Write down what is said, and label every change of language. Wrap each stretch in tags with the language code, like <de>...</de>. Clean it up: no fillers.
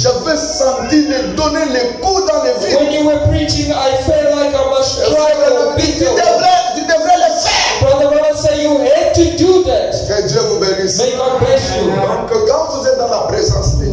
<fr>j'avais senti de donner les coups dans les vitres.</fr> <en>When you were preaching, I felt like I must try to beat you.</en> <fr>Tu devrais le faire.</fr> <en>Brother Branham said, you had to do that.</en> <fr>Que Dieu vous bénisse.</fr> <en>May God bless you.</en> <fr>Donc, quand vous êtes dans la présence de Dieu,</fr>